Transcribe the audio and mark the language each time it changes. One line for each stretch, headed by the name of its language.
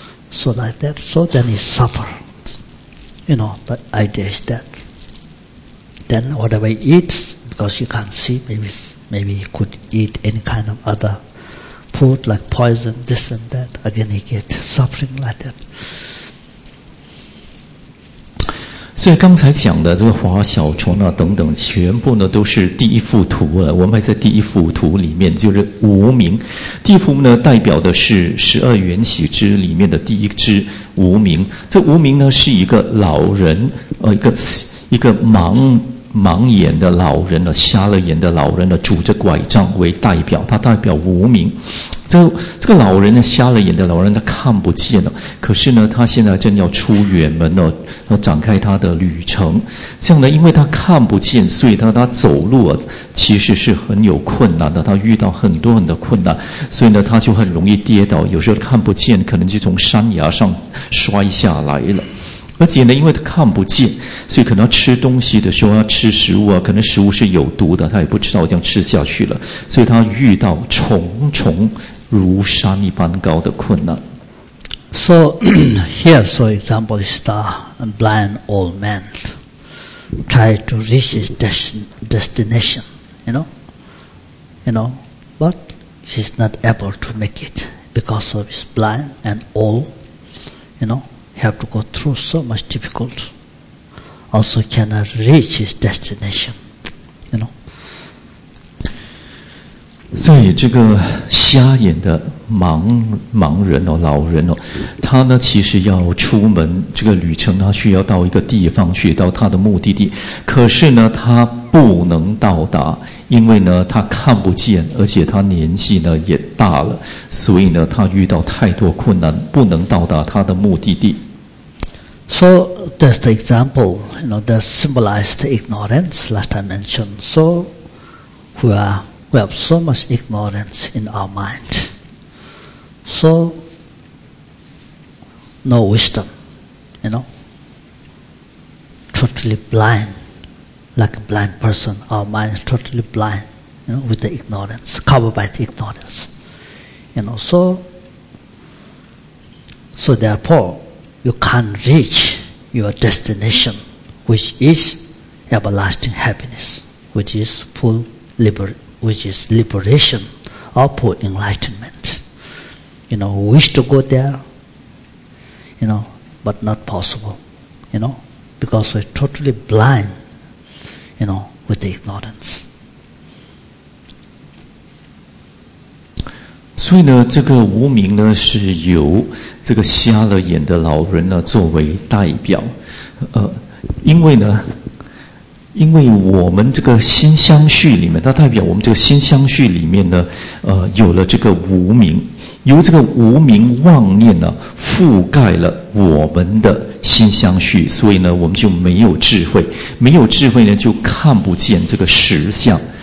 English: So like that, so then he suffer, you know, the idea is that. Then whatever he eats, because you can't see, maybe he could eat any kind of other food like poison, this and that, again he get suffering like that.
Chinese: 所以刚才讲的这个华小虫啊等等，全部呢都是第一幅图了。我们还在第一幅图里面，就是无明。第一幅呢代表的是十二缘起之里面的第一只无明。这无明呢是一个老人，一个盲眼的老人呢，瞎了眼的老人呢，拄着拐杖为代表，他代表无明。这个老人呢，瞎了眼的老人，他看不见了。可是呢，他现在正要出远门呢，要展开他的旅程。这样呢，因为他看不见，所以他走路啊，其实是很有困难的。他遇到很多很多困难，所以呢，他就很容易跌倒。有时候看不见，可能就从山崖上摔下来了。而且呢，因为他看不见，所以可能吃东西的时候要吃食物啊，可能食物是有毒的，他也不知道这样吃下去了，所以他遇到重重如山一般高的困难。
English: So here, so example is the blind old man try to reach his destination, you know, but he's not able to make it because of his blind and old, you know. Have to go through so much difficult. Also, cannot reach his destination. You know.
Chinese: 所以这个瞎眼的盲人哦，老人哦，他呢其实要出门这个旅程，他需要到一个地方去，到他的目的地。可是呢，他不能到达，因为呢他看不见，而且他年纪呢也大了，所以呢他遇到太多困难，不能到达他的目的地。
English: So that's the example, you know, that symbolized ignorance last time mentioned. So we have so much ignorance in our mind. So no wisdom, you know, totally blind, like a blind person. Our mind is totally blind, you know, with the ignorance, covered by the ignorance, you know. So therefore. You can't reach your destination, which is everlasting happiness, which is liberation or full enlightenment. you know, wish to go there, you know, but not possible, you know, because we're totally blind, you know, with the ignorance.
Chinese: 所以呢，这个无明呢，是由这个瞎了眼的老人呢作为代表，因为呢，因为我们这个心相续里面，它代表我们这个心相续里面呢，有了这个无明，由这个无明妄念呢覆盖了我们的心相续，所以呢，我们就没有智慧，没有智慧呢，就看不见这个实相。